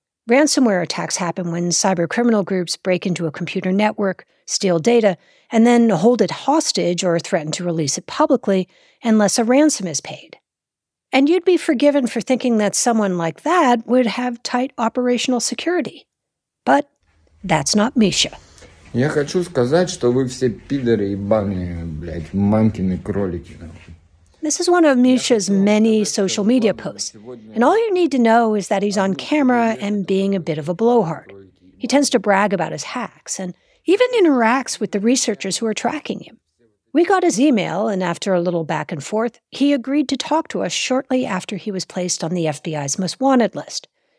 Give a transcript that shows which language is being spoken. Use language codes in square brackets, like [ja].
[en] Ransomware attacks happen when cybercriminal groups break into a computer network, steal data, and then hold it hostage or threaten to release it publicly unless a ransom is paid. And you'd be forgiven for thinking that someone like that would have tight operational security. But that's not Misha. [ru] Я хочу сказать, что вы все пидоры и баны, блядь, мамкины кролики. [en] This is one of Misha's many social media posts. And all you need to know is that he's on camera and being a bit of a blowhard. He tends to brag about his hacks and even interacts with the researchers who are tracking him. We got his email, and after a little back and forth, he agreed to talk to us shortly after he was placed on the FBI's most wanted list.